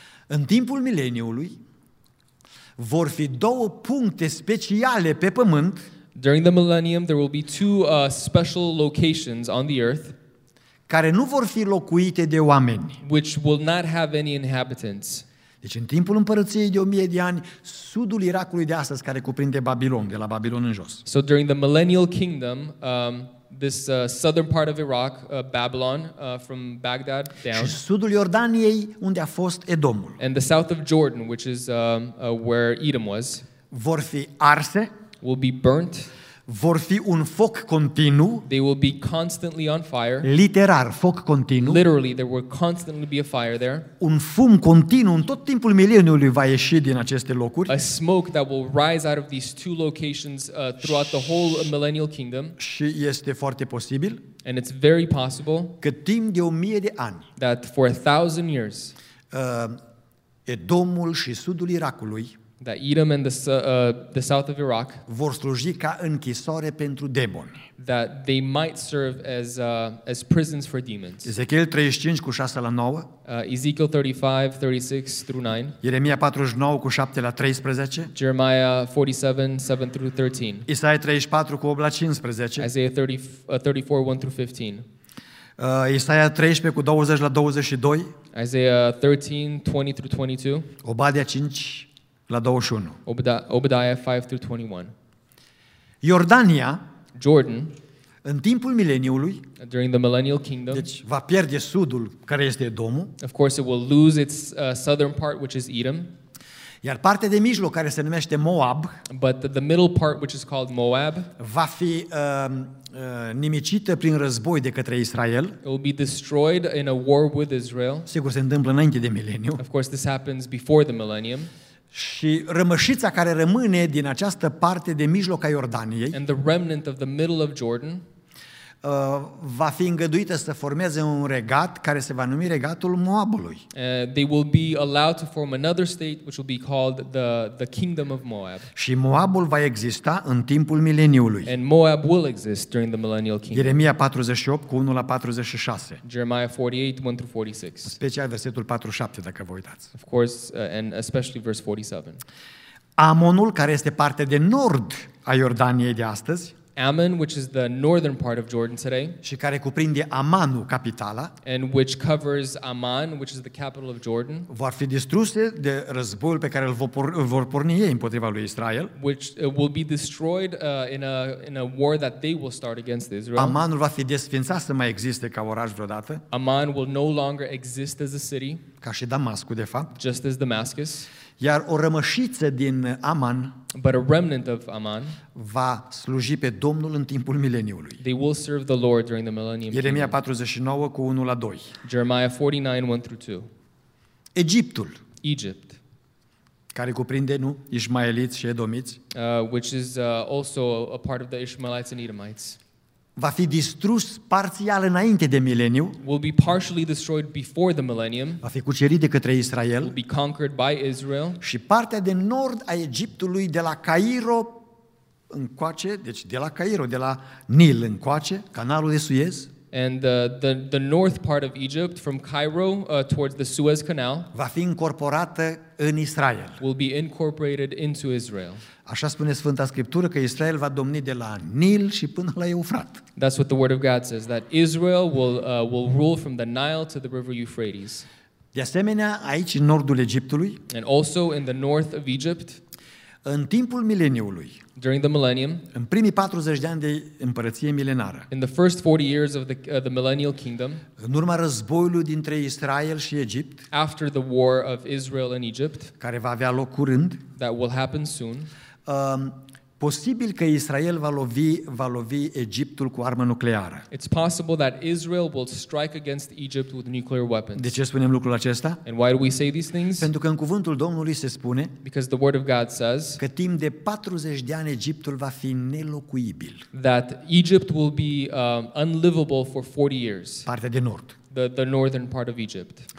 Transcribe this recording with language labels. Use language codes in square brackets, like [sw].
[ro] În timpul mileniului vor fi două puncte speciale pe pământ. [en] During the millennium there will be two special locations on the earth [ro] care nu vor fi locuite de oameni. [en] Which will not have any inhabitants. [ro] Deci în timpul împărăției de 1000 de ani, sudul Irakului de astăzi care cuprinde Babilon, de la Babilon în jos. [en] So during the millennial kingdom, this southern part of Iraq, Babylon, from Baghdad down. [ro] Și sudul Iordaniei, unde a fost Edomul. [en] And the south of Jordan, which is where Edom was. [ro] Vor fi arse. [en] Will be burnt. [ro] Vor fi un foc continuu. [en] They will be constantly on fire. [ro] Literar, foc continuu. [en] Literally, there will constantly be a fire there. [ro] Un fum continuu în tot timpul mileniului va ieși din aceste locuri. [en] A smoke that will rise out of these two locations throughout the whole millennial kingdom. [ro] Și este foarte posibil. [en] And it's very possible. [ro] Că timp de 1000 de ani. [en] That for a thousand years. [ro] Edomul și sudul Irakului. [en] That Edom and the south of Iraq [ro] vor sluji ca închisoare pentru demoni. [en] That they might serve as prisons for demons. [ro] Ezechiel 35 cu 6 la 9. [en] Ezekiel 35, 36 through 9. [ro] Ieremia 49 cu 7 la 13. [en] Jeremiah 47, 7 through 13. [ro] Isaia 34 cu 8 la 15. [en] Isaiah 34, 1 through 15. [ro] Isaia 13 cu 20 la 22. [en] Isaiah 13, 20 through 22. [ro] Obadia 5 la 21. [en] Obadiah 5-21. [ro] Iordania, [en] Jordan, [ro] în timpul mileniului, [en] during the millennial kingdom, [ro] deci va pierde sudul care este Edomul. [en] Of course it will lose its southern part which is Edom. [ro] Iar partea de mijloc care se numește Moab, [en] but the middle part which is called Moab, [ro] va fi nimicită prin război de către Israel. [en] It will be destroyed in a war with Israel. [ro] Sigur se întâmplă înainte de mileniu. [en] Of course this happens before the millennium. [ro] Și rămășița care rămâne din această parte de mijloc a Iordaniei [en] and the remnant of the middle of Jordan, [ro] va fi îngăduită să formeze un regat care se va numi regatul Moabului. [en] They will be allowed to form another state which will be called the kingdom of Moab. [ro] Și Moabul va exista în timpul mileniului. [en] And Moab will exist during the millennial kingdom. [ro] Ieremia 48 cu 1 la 46. [en] Jeremiah 48, 1 through 46. [ro] Special versetul 47 dacă vă uitați. [en] Of course, and especially verse 47. [ro] Amonul, care este parte de nord a Iordaniei de astăzi, [en] Ammon, which is the northern part of Jordan today, [ro] și care cuprinde Amanul, capitala, [en] and which covers Amman, which is the capital of Jordan, [ro] vor fi distruse de războiul pe care îl vor porni ei împotriva lui Israel, [en] which will be destroyed in a war that they will start against Israel. [ro] Amanul va fi desfințat să mai existe ca oraș vreodată. [en] Amman will no longer exist as a city, [ro] ca și Damascul, de fapt, [en] just as Damascus. [ro] Iar o rămășiță din Aman, [en] but a remnant of Aman, [ro] va sluji pe Domnul în timpul mileniului. [en] They will serve the Lord during the millennium. [ro] Ieremia 49 cu 1 la 2. [en] Jeremiah 49, 1 through 2. [ro] Egiptul, [en] Egypt, [ro] care cuprinde, nu, ismaeliți și edomiți, [en] which is also a part of the Ishmaelites and Edomites, [ro] va fi distrus parțial înainte de mileniu, [en] will be partially destroyed before the millennium, [ro] va fi cucerit de către Israel, [en] will be conquered by Israel, [ro] și partea de nord a Egiptului de la Cairo încoace, deci de la Cairo, de la Nil încoace, canalul de Suez, [en] and the north part of Egypt from Cairo towards the Suez Canal, [ro] va fi incorporată în Israel, [en] will be incorporated into Israel. [ro] Așa spune Sfânta Scriptură, că Israel va domni de la Nil și până la Eufrat. [en] That's what the word of God says, that Israel will rule from the Nile to the river Euphrates. [ro] De asemenea, aici în nordul Egiptului, [en] and also in the north of Egypt, [ro] în timpul mileniului, [en] during the millennium, [ro] în primii 40 de ani de împărăție milenară, [en] in the first 40 years of the millennial kingdom, [ro] în urma războiului dintre Israel și Egipt, [en] after the war of Israel and Egypt, [ro] care va avea loc curând, [en] that will happen soon, [ro] posibil că Israel va lovi Egiptul cu armă nucleară. [en] It's possible that Israel will strike against Egypt with nuclear weapons. [ro] De ce spunem lucrul acesta? [en] And why do we say these things? [ro] Pentru că în cuvântul Domnului se spune, [en] because the word of God says, [ro] că timp de 40 de ani Egiptul va fi nelocuibil. [en] That Egypt will be unlivable for 40 years. [ro] Partea de nord. [en] The northern part of Egypt.